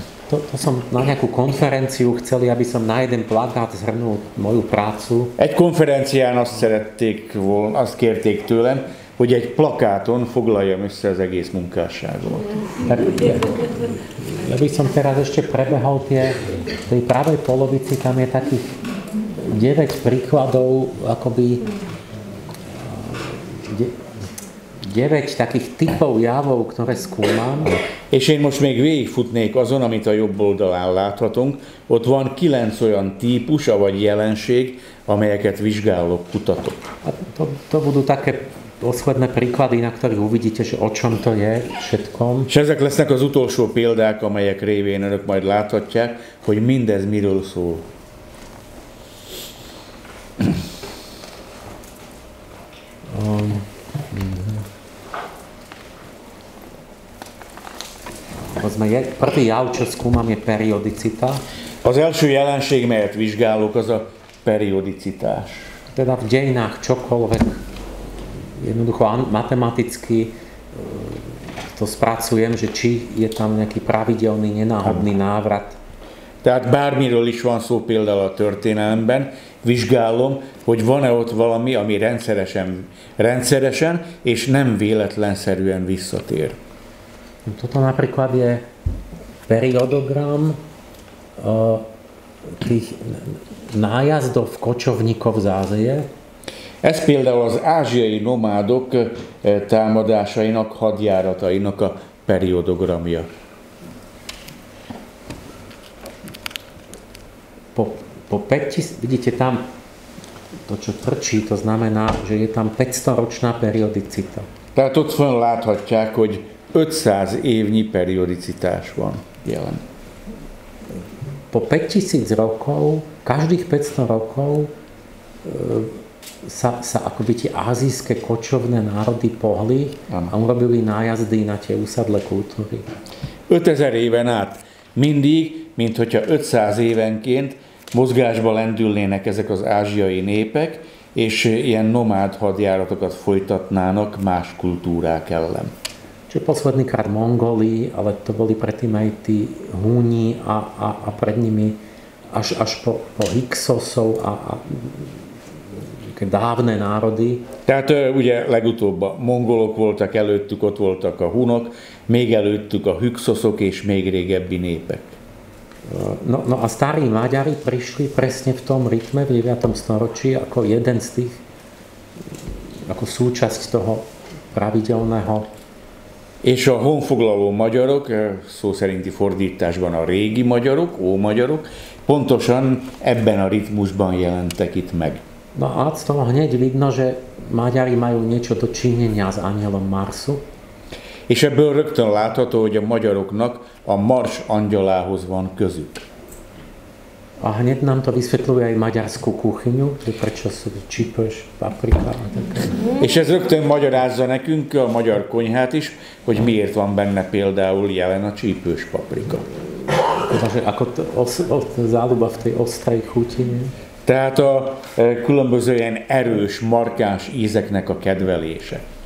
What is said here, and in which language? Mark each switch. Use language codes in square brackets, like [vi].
[sk] To som na nejakú konferenciu chceli, aby som na jeden plakát zhrnul moju prácu. [hu] Egy konferencián azt szerették volna, azt kérték tőlem, hogy egy plakáton foglaljam össze az egész munkásságomat. [sk] Ja by som teraz ešte prebehol tej pravej polovici, tam je takých 9 príkladov, akoby 9 takých typov javov, ktoré skúmam. [hu] És én most még végigfutnék azon, amit a jobb oldalán láthatunk. Ott van 9 olyan típus, avagy jelenség, amelyeket vizsgálok, kutatok. [sk] To budú také posledné príklady, na ktorých uvidíte, že o čom to je všetkom. [hu] És ezek lesznek az utolsó példák, amelyek révén önök majd láthatják, hogy mindez miről szól. [sk] Prvý jav, čo skúmam, je periodicita. [hu] Az első jelenség, melyet vizsgálok, az a periodicitás. [sk] Teda v dejinách čokoľvek jednoducho matematicky to spracujem, že či je tam nejaký pravidelný, nenáhodný návrat. [hu] Tehát bármiről is van szó például a történelemben, vizsgálom, hogy van-e ott valami, ami rendszeresen és nem véletlenszerűen visszatér. [sk] Toto napríklad je periodogram tých nájazdov kočovníkov z Ázie. [hu] Ez például az ázsiai nomádok támadásainak, hadjáratainak a periodogramja. [sk] Po 5000, vidíte tam, to, čo trčí, to znamená, že je tam 500-ročná periodicita. [hu] Tehát ott fönn láthatják, hogy 500 évnyi periodicitás van jelen. [sk] Po 5000 rokov, každých 500 rokov sa akoby tie ázijské kočovné národy pohli a urobili nájazdy na tie usadlé kultúry. [hu] 5000 éven át mindig, mint hogyha 500 évenként mozgásba lendülnének ezek az ázsiai népek, és ilyen nomád hadjáratokat folytatnának más kultúrák ellen. [sk] Čiže posledný krát Mongoli, ale to boli predtým aj tí Húni a pred nimi až po Hyksosov a dávne národy. [hu] Tehát ugye legutóbb a mongolok voltak, előttük ott voltak a Hunok, még előttük a Hyksosok és még régebbi népek. [sk] No a starí Maďari prišli presne v tom rytme, v 9. storočí, ako jeden z tých, ako súčasť toho pravidelného. [hu] És a honfoglaló magyarok, szó szerinti fordításban a régi magyarok, ómagyarok, pontosan ebben a ritmusban jelentek itt meg. [sk] No a z toho hneď vidno, že Maďari majú niečo do činenia s anjelom Marsu. [hu] És ebből rögtön látható, hogy a magyaroknak a Mars angyalához van közük. [sk] A hneď nám to vysvetľuje aj maďarskú kuchyňu, že prečo sú csípős, paprika a také. [hu] És ez rögtön magyarázza nekünk a magyar konyhát is, hogy miért van benne például jelen a csípős paprika. [sk] Takže ako záľuba v tej ostrej chuti. [hu] Tehát a különböző ilyen erős, markáns ízeknek a kedvelése.